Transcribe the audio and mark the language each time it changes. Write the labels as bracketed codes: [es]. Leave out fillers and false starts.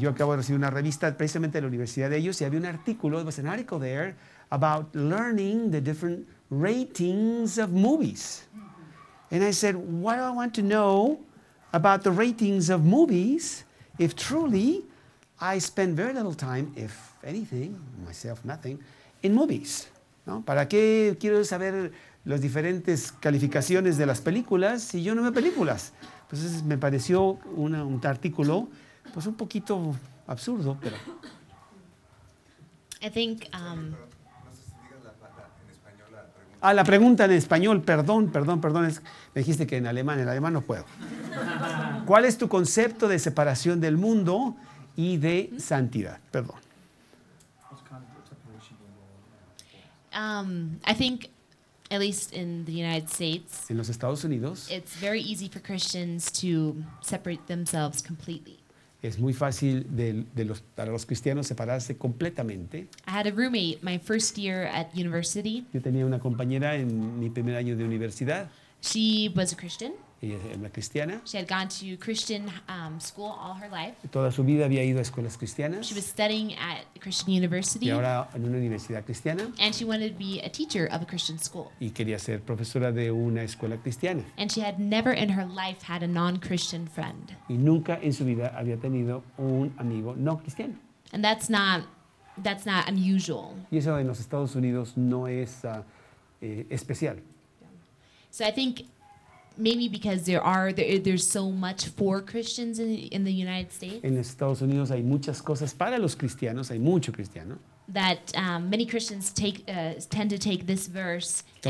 [es] Yo acabo de recibir una revista precisamente de la universidad de ellos y había un artículo, [en] there was an article there about learning the different ratings of movies. And I said, why do I want to know about the ratings of movies, if truly I spend very little time, if anything, myself, nothing, in movies. [es] ¿No? ¿Para qué quiero saber las diferentes calificaciones de las películas si yo no veo películas? Entonces me pareció un artículo pues un poquito absurdo, pero... [en] I think... [es] Ah, la pregunta en español, perdón, me dijiste que en alemán, no puedo. ¿Cuál es tu concepto de separación del mundo y de santidad? Perdón. [en] I think, at least in the United States, [es] en los Estados Unidos, [en] it's very easy for Christians to separate themselves completely. [es] Es muy fácil para los cristianos separarse completamente. [en] I had a roommate my first year at university. [es] Yo tenía una compañera en mi primer año de universidad. [en] She was a Christian. [es] Ella era cristiana. [en] She had gone to Christian school all her life. [es] Toda su vida había ido a escuelas cristianas. [en] She was studying at a Christian university. [es] Y ahora en una universidad cristiana. [en] And she wanted to be a teacher of a Christian school. [es] Y quería ser profesora de una escuela cristiana. [en] And she had never in her life had a non-Christian friend. [es] Y nunca en su vida había tenido un amigo no cristiano. [en] And that's not unusual. [es] Y eso en los Estados Unidos no es especial. [en] So I think maybe because there's so much for Christians in the United States. [es] En Estados Unidos hay muchas cosas para los cristianos, hay mucho cristiano. [en] That many Christians tend to take this verse